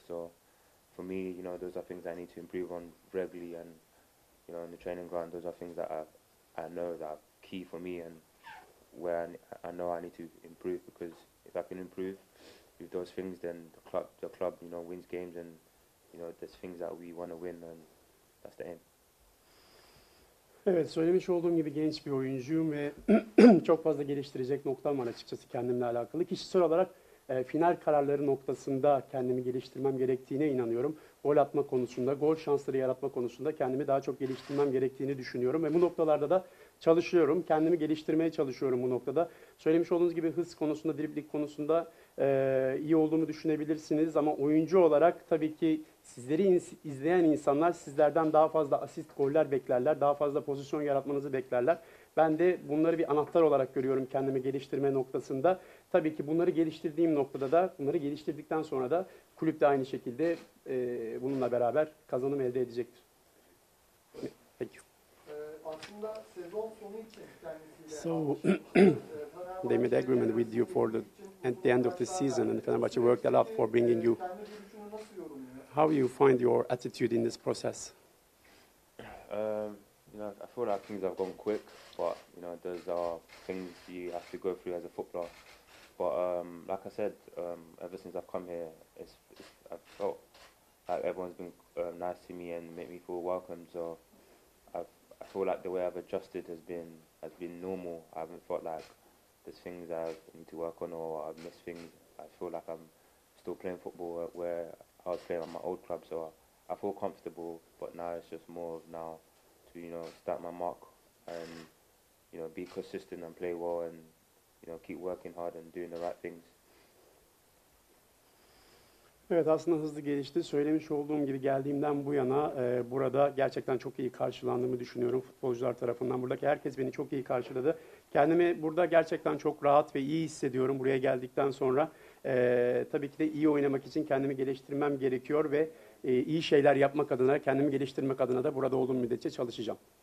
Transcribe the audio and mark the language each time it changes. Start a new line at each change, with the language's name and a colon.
English: So for me, you know, those are things I need to improve on regularly, and, you know, in the training ground, those are things that I know that are key for me and where I know I need to improve, because if I can improve with those things, then the club, you know, wins games, and, you know, there's things that we want to win, and that's the aim.
Turkish: Evet, söylemiş olduğum gibi genç bir oyuncuyum ve çok fazla geliştirecek noktam var açıkçası kendimle alakalı. Kişisel olarak final kararları noktasında kendimi geliştirmem gerektiğine inanıyorum. Gol atma konusunda, gol şansları yaratma konusunda kendimi daha çok geliştirmem gerektiğini düşünüyorum ve bu noktalarda da çalışıyorum. Kendimi geliştirmeye çalışıyorum bu noktada. Söylemiş olduğunuz gibi hız konusunda, dribling konusunda iyi olduğumu düşünebilirsiniz. Ama oyuncu olarak tabii ki sizleri izleyen insanlar sizlerden daha fazla asist goller beklerler. Daha fazla pozisyon yaratmanızı beklerler. Ben de bunları bir anahtar olarak görüyorum kendimi geliştirme noktasında. Tabii ki bunları geliştirdiğim noktada da, bunları geliştirdikten sonra da kulüp de aynı şekilde bununla beraber kazanım elde edecektir. Peki. Aslında sezon sonu için kendisi
English: So, they made agreement with you for the at the end of the season, and Fenerbahce worked a lot for bringing you. How do you find your attitude in this process? You know, I feel like things have gone quick, but you know, those are things you have to go through as a footballer. But like I said, ever since I've come here, I've felt like everyone's been nice to me and make me feel welcome. So I feel like the way I've adjusted has been normal. I haven't felt like there's things I need to work on or I've missed things. I feel like I'm still playing football where I was playing at my old club. So I feel comfortable, but now it's just more of now to, you know, start my mark and, you know, be consistent and play well and, you know, keep working hard and doing the right things.
Turkish: Evet, aslında hızlı gelişti. Söylemiş olduğum gibi geldiğimden bu yana burada gerçekten çok iyi karşılandığımı düşünüyorum futbolcular tarafından. Buradaki herkes beni çok iyi karşıladı. Kendimi burada gerçekten çok rahat ve iyi hissediyorum buraya geldikten sonra. Tabii ki de iyi oynamak için kendimi geliştirmem gerekiyor ve iyi şeyler yapmak adına, kendimi geliştirmek adına da burada olduğum müddetçe çalışacağım.